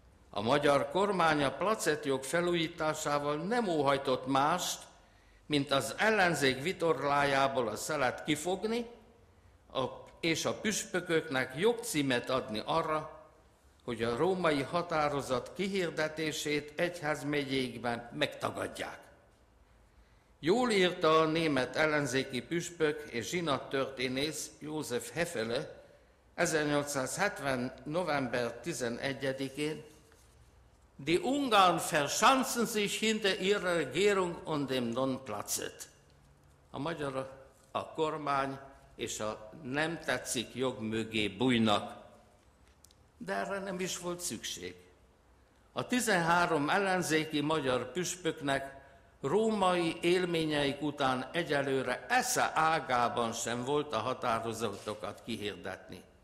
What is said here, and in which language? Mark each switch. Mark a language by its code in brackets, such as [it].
[hu] A magyar kormány a placetjog felújításával nem óhajtott mást, mint az ellenzék vitorlájából a szelet kifogni, és a püspököknek jogcímet adni arra, hogy a római határozat kihirdetését egyházmegyékben megtagadják. Jól írta a német ellenzéki püspök és zsinattörténész József Hefele 1870. november 11-én, [de] Die Ungarn verschanzen sich hinter ihrer Regierung und dem Nonplatzet. [hu] A magyar a kormány és a nem tetszik jog mögé bújnak. De erre nem is volt szükség. A 13 ellenzéki magyar püspöknek római élményeik után egyelőre esze ágában sem volt a határozatokat kihirdetni.